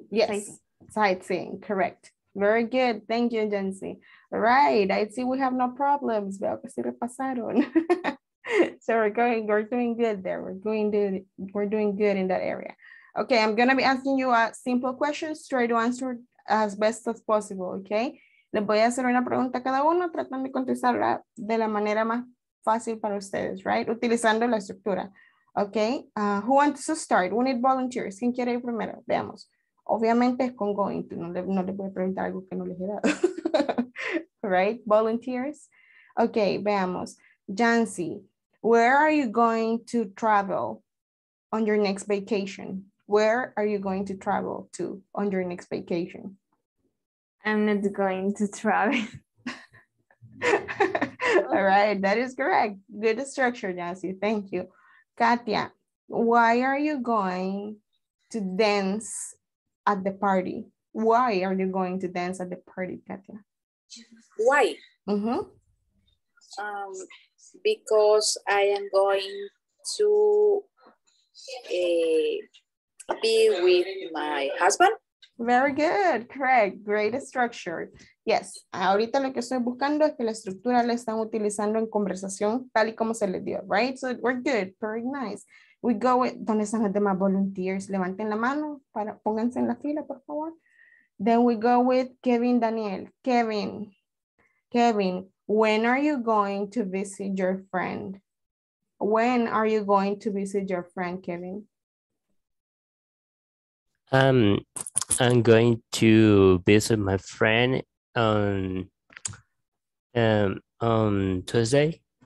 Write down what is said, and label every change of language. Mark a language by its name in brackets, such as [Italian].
[English] Yes, sightseeing, correct. Very good, thank you, Jency. All right, I see we have no problems. [Spanish] Veo que se repasaron. [English] So we're doing good there. We're doing good in that area. Okay, I'm going to be asking you a simple question. Try to answer as best as possible, okay? [Spanish] Les voy a hacer una pregunta a cada uno tratando de contestarla de la manera más fácil para ustedes, right? Utilizando la estructura, okay? [English] Who wants to start? We need volunteers. [Spanish] ¿Quién quiere ir primero? Veamos. Obviamente es con going to. No le voy a preguntar algo que no les he dado. [English] Right? Volunteers. Okay, veamos. Jancy, where are you going to travel on your next vacation? Where are you going to travel to on your next vacation? I'm not going to travel. All right, that is correct. Good structure, Jancy. Thank you. Katia, why are you going to dance at the party? Why are you going to dance at the party, Katia? Why? Mm-hmm. Because I am going to be with my husband. Very good, Craig. Great structure. Yes. [Spanish] Ahorita lo que estoy buscando es que la estructura la están utilizando en conversación tal y como se les dio, right? [English] So we're good. Very nice. We go with, [Spanish] ¿dónde están los demás volunteers? Levanten la mano, para, pónganse en la fila, por favor. [English] Then we go with Kevin Daniel. Kevin. Kevin, when are you going to visit your friend? When are you going to visit your friend, Kevin? I'm going to visit my friend on Tuesday.